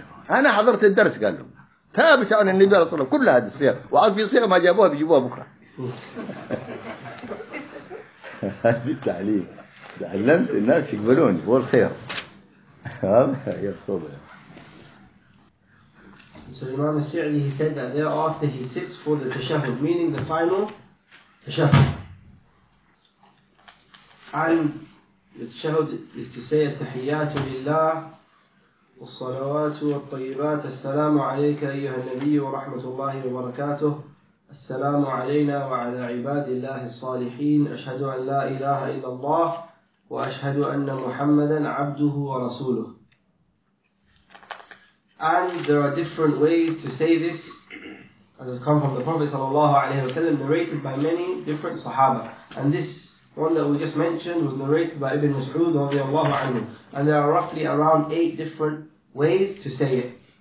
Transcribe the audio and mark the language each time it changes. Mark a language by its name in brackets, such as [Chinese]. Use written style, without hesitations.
[Arabic] أنا حضرت الدرس، قال لهم ثابت عن النبي صلى الله عليه وسلم كل هذه الصيغ، وعاد في صيغ ما جابوها بيجيبوها بكرة. هذه التعليم تعلمت الناس يقبلون يقول خير. يا خبر [English] سليمان السعدي، he said that thereafter he sits for the tashahud, meaning the final tashahud. And the tashahud is to say [Arabic] التحيات لله والصلوات والطيبات، السلام عليك أيها النبي ورحمة الله وبركاته، السلام علينا وعلى عباد الله الصالحين، أشهد أن لا إله إلا الله وأشهد أن محمدا عبده ورسوله. [English] And there are different ways to say this, as has come from the Prophet sallallahu alaihi wasallam, narrated by many different Sahaba. And this one that we just mentioned was narrated by Ibn Mas'ud radiallahu anhu. And there are roughly around 8 different ways to say it.